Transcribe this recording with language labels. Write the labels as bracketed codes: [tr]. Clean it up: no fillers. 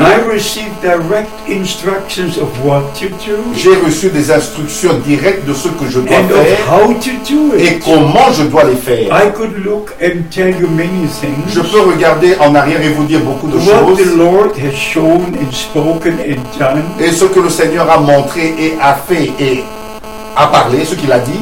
[en] I receive direct instructions of what to do. [fr] J'ai reçu des instructions directes de ce que je dois [en] and [fr] faire [en] of how to do it. [fr] Et comment je dois les faire. [en] I could look and tell you many things. [fr] Je peux regarder en arrière et vous dire beaucoup de [en] what [fr] choses. [en] The Lord has shown and spoken and done. [fr] Et ce que le Seigneur a montré et a fait et a parlé, ce qu'il a dit.